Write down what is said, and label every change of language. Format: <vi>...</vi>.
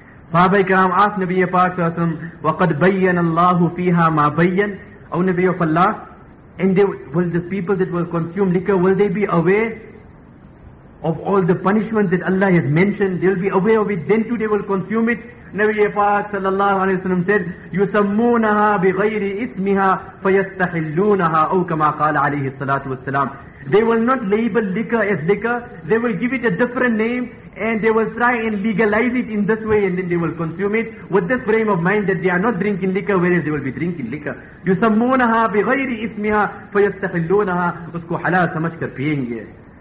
<en>Sahaba Ikram asked Nabi Paak Sahasam,</en> <ar>وَقَدْ بَيَّنَ اللَّهُ فِيهَا مَا بَيَّنَ.</ar> <en>O Nabi of Allah, and they, will the people that will consume liquor, will they be aware of all the punishments that Allah has mentioned? They will be aware of it, then too they will consume it. Nabi Paak Sallallahu Alaihi Wasallam said,</en> <ar>يُسَمُّونَهَا بِغَيْرِ إِسْمِهَا فَيَسْتَحِلُّونَهَا أَوْ كَمَا قَالَ عَلَيْهِ الصَّلَاةُ وَالسَّلَامُ.</ar> <en>They will not label liquor as liquor, they will give it a different name, and they will try and legalize it in this way, and then they will consume it with this frame of mind that they are not drinking liquor, whereas they will be drinking liquor.</en> <ar>يُسَمُّونَهَا بِغَيْرِ إِسْمِهَا فَيَسْتَحِلُّونَهَا</ar> <ur>اُسْكُو حَلَالَ سَمَجْ كَرْ پِيَنْگِ.</ur>